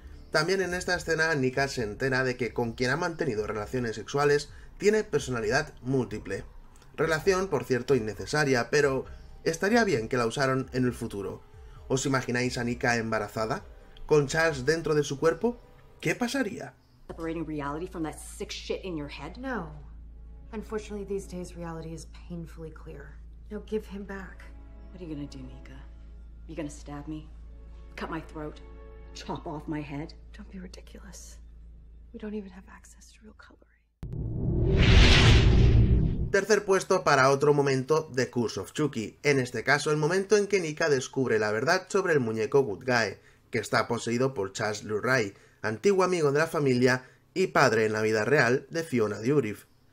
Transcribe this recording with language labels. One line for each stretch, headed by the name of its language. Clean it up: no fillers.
Spanish: También en esta escena, Nika se entera de que con quien ha mantenido relaciones sexuales, tiene personalidad múltiple. Relación, por cierto, innecesaria, pero estaría bien que la usaran en el futuro. ¿Os imagináis a Nika embarazada? ¿Con Charles dentro de su cuerpo? ¿Qué pasaría?
English: Separating reality from that sick shit in your head? No. Unfortunately, these days reality is painfully clear. Now give him back. What are you gonna do, Nika? You gonna stab me? Cut my throat? Chop off my head? Don't be ridiculous. We don't even have access to real color.
Spanish: Tercer puesto para otro momento de Curse of Chucky, en este caso el momento en que Nika descubre la verdad sobre el muñeco Good Guy, que está poseído por Charles Lurie, antiguo amigo de la familia y padre en la vida real de Fiona Dourif.